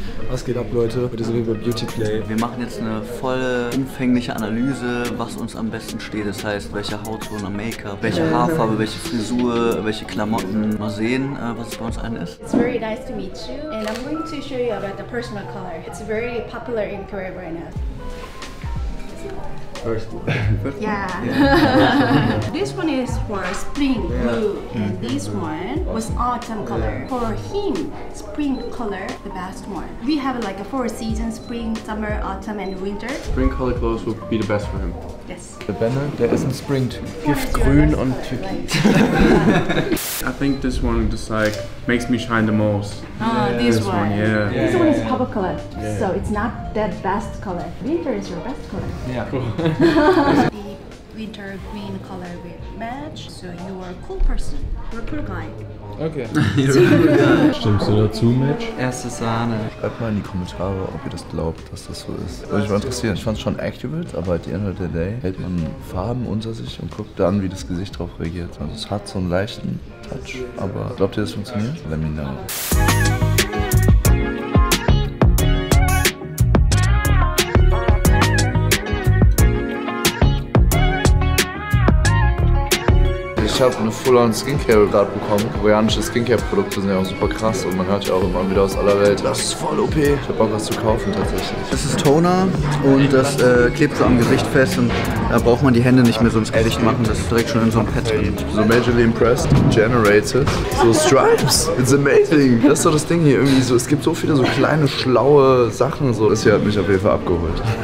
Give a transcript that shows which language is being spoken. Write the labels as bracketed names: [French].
[German] Was geht ab, Leute? Heute sind wir bei Beauty Play. Wir machen jetzt eine volle, umfängliche Analyse, was uns am besten steht. Das heißt, welche Hautton am Make-up, welche Haarfarbe, welche Frisur, welche Klamotten. Mal sehen, was es bei uns allen ist. [English] It's very nice to meet you. And I'm going to show you about the personal color. It's very popular in Korea right now. First one. Yeah. This one is for spring blue, and this one was autumn color. For him, spring color, the best one. We have like a four seasons: spring, summer, autumn, and winter. Spring color clothes will be the best for him. Yes. The banner, there is a spring too. [German] Giftgrün und türkis. [English] I think this one just like makes me shine the most. This one. Yeah. This one is purple color, so it's not that best color. Winter is your best color. Yeah. The winter green color will match, so you are a cool person. You're a cool guy. Okay. [German] Stimmst du dazu, Mitch? Erste Sahne. Schreibt mal in die Kommentare, ob ihr das glaubt, dass das so ist. Würde mich mal interessieren. Ich fand es schon activate, aber [English] at the end of the day [German] hält man Farben unter sich und guckt dann, wie das Gesicht drauf reagiert. Also es hat so einen leichten Touch, aber glaubt ihr, das funktioniert? [English] Let me know. [German] Ich habe eine full-on Skincare gerade bekommen. Koreanische Skincare-Produkte sind ja auch super krass und man hört ja auch immer wieder aus aller Welt, das ist voll OP. Ich habe auch was zu kaufen tatsächlich. Das ist Toner und das klebt so am Gesicht fest und da braucht man die Hände nicht mehr so ins Gesicht machen. Das ist direkt schon in so einem Pad drin. [English] So majorly impressed, generated, so stripes, it's amazing. [German] Das ist so das Ding hier irgendwie so, es gibt so viele so kleine schlaue Sachen so. Das hier hat mich auf jeden Fall abgeholt.